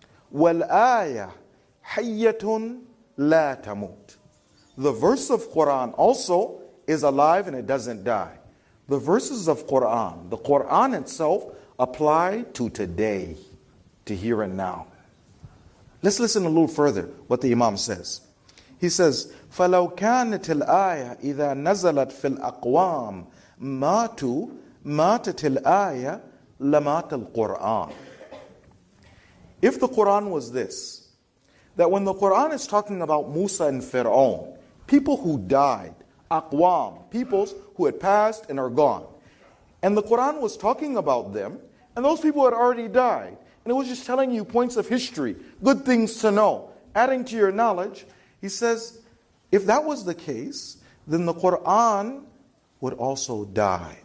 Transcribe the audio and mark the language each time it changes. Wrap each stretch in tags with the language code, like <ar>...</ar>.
<ar>Wal ayah hayyatun la tamut.</ar> <en>The verse of Quran also is alive and it doesn't die. The verses of Quran, the Quran itself, apply to today, to here and now. Let's listen a little further what the Imam says. He says,</en> <ar>فَلَوْ كَانَتِ الْآيَةِ إِذَا نَزَلَتْ فِي الْأَقْوَامِ مَاتُوا مَاتَتِ الْآيَةِ لَمَاتَ الْقُرْآنِ.</ar> <en>If the Quran was this, that when the Quran is talking about Musa and Pharaoh, people who died, aqwam, peoples who had passed and are gone, and the Quran was talking about them, and those people had already died, and it was just telling you points of history, good things to know, adding to your knowledge, he says, if that was the case, then the Quran would also die.</en>